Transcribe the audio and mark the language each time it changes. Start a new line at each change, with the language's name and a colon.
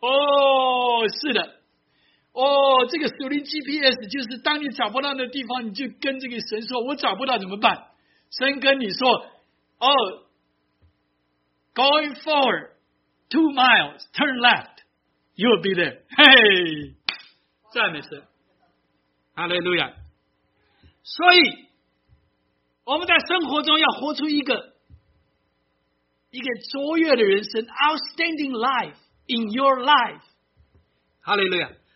Chinese: 哦，是的，哦，这个属灵 GPS 就是当你找不到的地方，你就跟这个神说，我找不到怎么办？神跟你说，哦，
English: going forward 2 miles turn left， you will be there。
Chinese: 嘿、hey， 赞美神，哈利路亚。所以我们在生活中要活出一个卓越的人生，
English: outstanding life in your life，
Chinese: 哈利路亚。